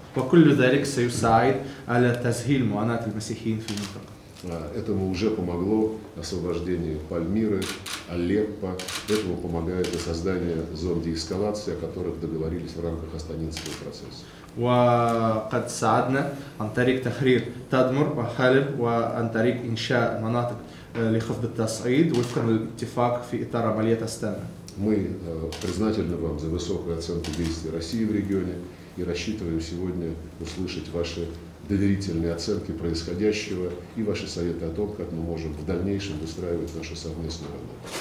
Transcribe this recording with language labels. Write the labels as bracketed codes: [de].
[ar] وكل ذلك سيساعد على تسهيل معاناة المسيحيين في المنطقة. [ru] Этому уже помогло освобождение Пальмиры, Алеппо. Этому помогает и создание зон деэскалации, о которых договорились в рамках Астанинского процесса. [ar] وقد ساعدنا عن طريق تحرير تدمر وحلب وعن طريق إنشاء مناطق لخفض التصعيد وفقا للاتفاق في إطار عملية أستانا. [ru] Мы признательны вам за высокую оценку действий России в регионе и рассчитываем сегодня услышать ваши доверительные оценки происходящего и ваши советы о том, как мы можем в дальнейшем выстраивать нашу совместную работу.